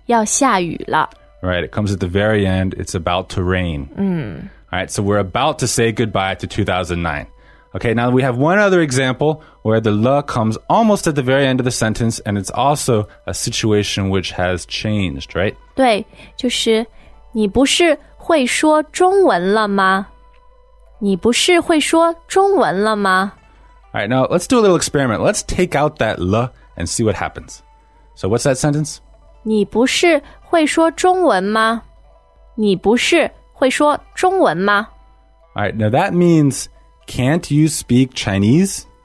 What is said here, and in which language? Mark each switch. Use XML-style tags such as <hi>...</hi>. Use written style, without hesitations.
<zh>要下雨了。</zh> <en>Right, it comes at the very end. It's about to rain. All right, so we're about to say goodbye to 2009. Okay, now we have one other example where the la comes almost at the very end of the sentence, and it's also a situation which has changed, right?</en> <zh>对，就是你不是会说中文了吗？你不是会说中文了吗？</zh> <en>All right, now let's do a little experiment. Let's take out that la and see what happens. So what's that sentence?</en> <zh>你不是会说中文吗？你不是会说中文吗?</zh> <en>All right, now that means, can't you speak Chinese?</en>